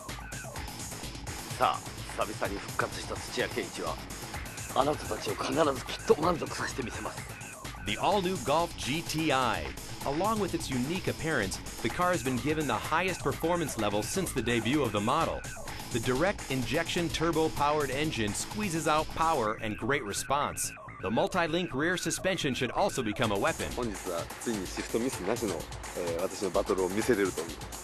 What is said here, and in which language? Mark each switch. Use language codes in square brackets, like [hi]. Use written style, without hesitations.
[ja] さあ、久々に復活した土屋圭一は、あなたたちを必ずきっと満足させてみせます。 [en] The all-new Golf GTI. Along with its unique appearance, the car has been given the highest performance level since the debut of the model. The direct injection turbo-powered engine squeezes out power and great response. The multi-link rear suspension should also become a weapon. [ja] 本日はついにシフトミスなしの、私のバトルを見せれると思う。